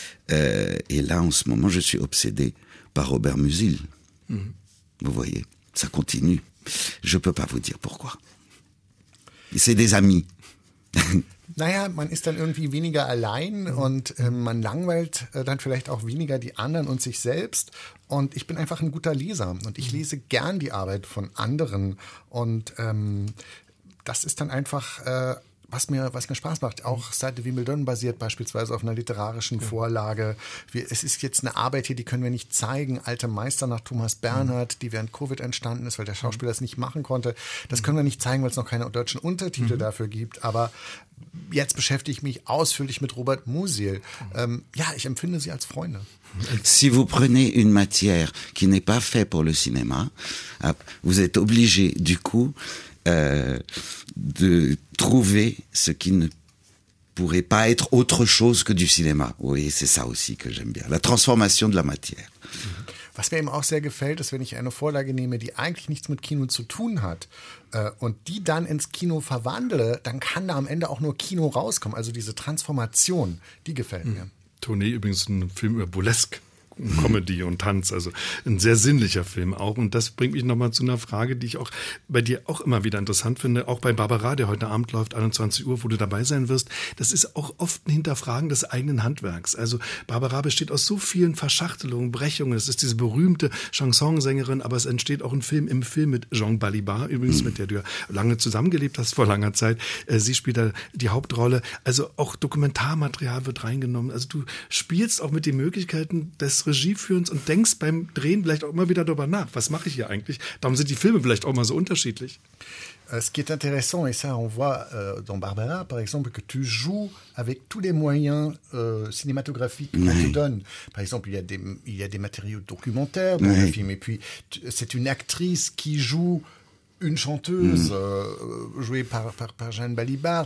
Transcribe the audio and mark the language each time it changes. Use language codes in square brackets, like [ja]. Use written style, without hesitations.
[fr] Et là, en ce moment, je suis obsédé par Robert Musil. Vous voyez, ça continue. Je peux pas vous dire pourquoi. C'est des amis. [de] Naja, man ist dann irgendwie weniger allein und man langweilt dann vielleicht auch weniger die anderen und sich selbst. Und ich bin einfach ein guter Leser und ich lese gern die Arbeit von anderen. Und das ist dann einfach, was mir Spaß macht. Auch Stade de Wimbledon basiert beispielsweise auf einer literarischen Vorlage. Es ist jetzt eine Arbeit hier, die können wir nicht zeigen. Alte Meister nach Thomas Bernhardt, die während Covid entstanden ist, weil der Schauspieler es nicht machen konnte. Das können wir nicht zeigen, weil es noch keine deutschen Untertitel dafür gibt. Aber jetzt beschäftige ich mich ausführlich mit Robert Musil. Ja, ich empfinde sie als Freunde. [fr] Si vous prenez une matière qui n'est pas faite pour le cinéma, vous êtes obligé du coup de trouver ce qui ne pourrait pas être autre chose que du cinéma. Oui, c'est ça aussi que j'aime bien. La transformation de la matière. [de] Was mir eben auch sehr gefällt, ist, wenn ich eine Vorlage nehme, die eigentlich nichts mit Kino zu tun hat und die dann ins Kino verwandle, dann kann da am Ende auch nur Kino rauskommen. Also diese Transformation, die gefällt mir. Tournee übrigens ein Film über Burlesque. Comedy und Tanz, also ein sehr sinnlicher Film auch. Und das bringt mich nochmal zu einer Frage, die ich auch bei dir auch immer wieder interessant finde. Auch bei Barbara, der heute Abend läuft, 21 Uhr, wo du dabei sein wirst. Das ist auch oft ein Hinterfragen des eigenen Handwerks. Also Barbara besteht aus so vielen Verschachtelungen, Brechungen. Es ist diese berühmte Chansonsängerin, aber es entsteht auch ein Film im Film mit Jean Balibar, übrigens, mit der du ja lange zusammengelebt hast, vor langer Zeit. Sie spielt da die Hauptrolle. Also auch Dokumentarmaterial wird reingenommen. Also du spielst auch mit den Möglichkeiten des Regie führen und denkst beim Drehen vielleicht auch immer wieder darüber nach, was mache ich hier eigentlich? Darum sind die Filme vielleicht auch mal so unterschiedlich. [fr] Ce qui est intéressant, et ça on voit dans Barbara, par exemple, que tu joues avec tous les moyens cinématographiques qu'on te donne. Par exemple, il y a des matériaux documentaires dans le film, et puis c'est une actrice qui joue une chanteuse jouée par Jeanne Balibar.